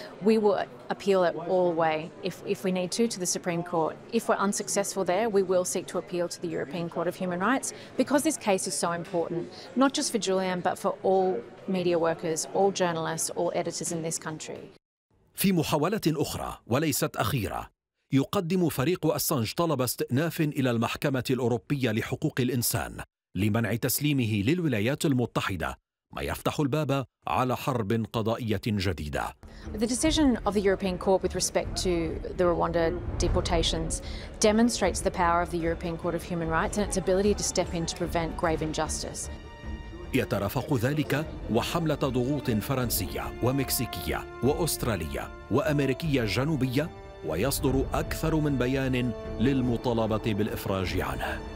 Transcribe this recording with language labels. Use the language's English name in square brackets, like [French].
[English] We will appeal it all the way, if we need to the Supreme Court. If we're unsuccessful there, we will seek to appeal to the European Court of Human Rights, because this case is so important, not just for Julian, but for all media workers, all journalists, all editors in this country. [Arabic] في محاولة أخرى وليست أخيرة، يقدم فريق أسانج طلب استئناف إلى المحكمة الأوروبية لحقوق الإنسان لمنع تسليمه للولايات المتحدة، ما يفتح الباب على حرب قضائية جديدة. [English] The decision of the European Court with respect to the Rwanda deportations demonstrates the power of the European Court of Human Rights and its ability to step in to prevent grave injustice. [Arabic] يترافق ذلك وحملة ضغوط فرنسية ومكسيكية وأسترالية وأمريكية الجنوبية، ويصدر أكثر من بيان للمطالبة بالإفراج عنه.